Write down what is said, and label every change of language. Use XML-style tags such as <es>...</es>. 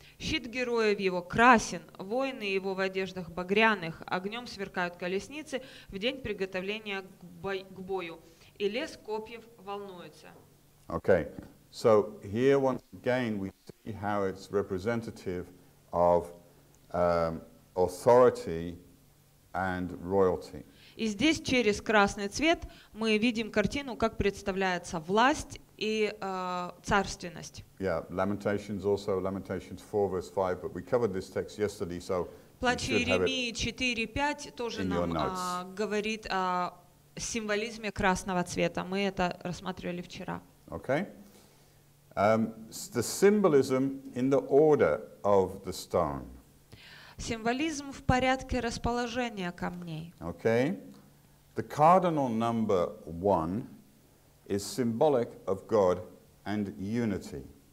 <ru>«Щит героев его красен, воины его в одеждах багряных, огнем сверкают колесницы в день приготовления к бою, и лес копьев волнуется».</ru> <en>Okay. So here once again we see how it's representative of authority and royalty.</en> <ru>И здесь через красный цвет мы видим картину, как представляется власть и царственность.</ru> <en>Yeah, Lamentations also, Lamentations 4, verse 5, but we covered this text yesterday, so</en> <ru>Плач Иеремии 4:5 тоже нам говорит о символизме красного цвета. Мы это рассматривали вчера.</ru> <en>Okay. The symbolism in the order of the stone.</en> <ru>Символизм в порядке расположения камней.</ru> <en>Okay. The cardinal number one is symbolic of God and unity.</en>